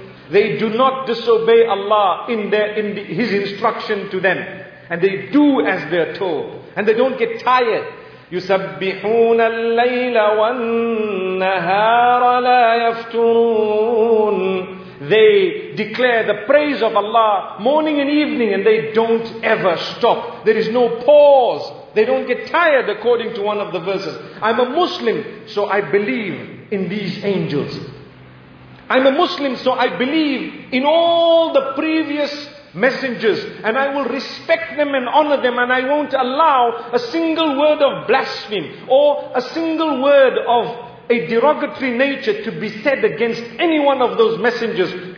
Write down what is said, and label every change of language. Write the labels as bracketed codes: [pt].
[en] They do not disobey Allah in His instruction to them, and they do as they are told, and they don't get tired. [ar] يسبحون الليل والنهار لا يفترون. [en] They declare the praise of Allah morning and evening, and they don't ever stop. There is no pause. They don't get tired, according to one of the verses. I'm a Muslim, so I believe in these angels. I'm a Muslim, so I believe in all the previous messengers, and I will respect them and honor them, and I won't allow a single word of blasphemy or a single word of a derogatory nature to be said against any one of those messengers.